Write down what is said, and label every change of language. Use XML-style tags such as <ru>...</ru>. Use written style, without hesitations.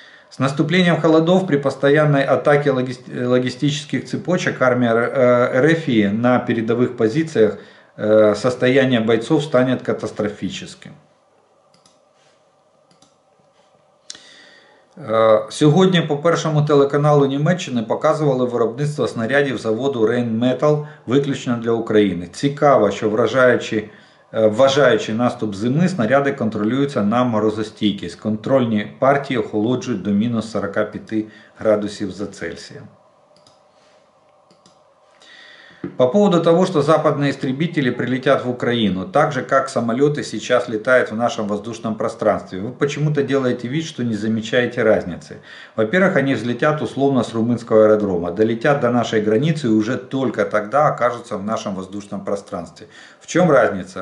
<ru>С наступлением холодов при постоянной атаке логистических цепочек армия РФ на передовых позициях состояние бойцов станет катастрофическим.</ru> <uk>Сьогодні по першому телеканалу Німеччини показували виробництво снарядів заводу Rheinmetall виключно для України. Цікаво, що вважаючи наступ зими, снаряди контролюються на морозостійкість. Контрольні партії охолоджують до мінус 45 градусів за Цельсієм.</uk> <ru>По поводу того, что западные истребители прилетят в Украину, так же, как самолеты сейчас летают в нашем воздушном пространстве, вы почему-то делаете вид, что не замечаете разницы. Во-первых, они взлетят условно с румынского аэродрома, долетят до нашей границы и уже только тогда окажутся в нашем воздушном пространстве. В чем разница?</ru>